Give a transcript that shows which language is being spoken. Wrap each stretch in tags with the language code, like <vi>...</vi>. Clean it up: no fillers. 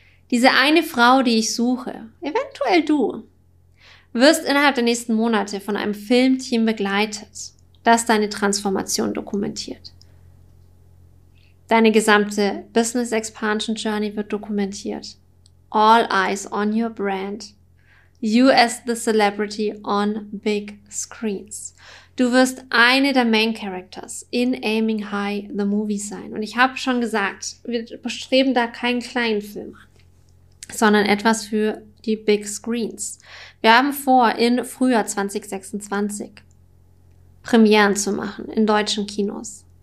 <de>Diese eine Frau, die ich suche, eventuell du, wirst innerhalb der nächsten Monate von einem Filmteam begleitet, das deine Transformation dokumentiert. Deine gesamte Business Expansion Journey wird dokumentiert.</de> <en>All eyes on your brand. You as the celebrity on big screens.</en> <de>Du wirst eine der Main Characters in Aiming High the Movie sein. Und ich habe schon gesagt, wir bestreben da keinen kleinen Film an, sondern etwas für die Big Screens. Wir haben vor, in Frühjahr 2026 Premieren zu machen in deutschen Kinos.</de>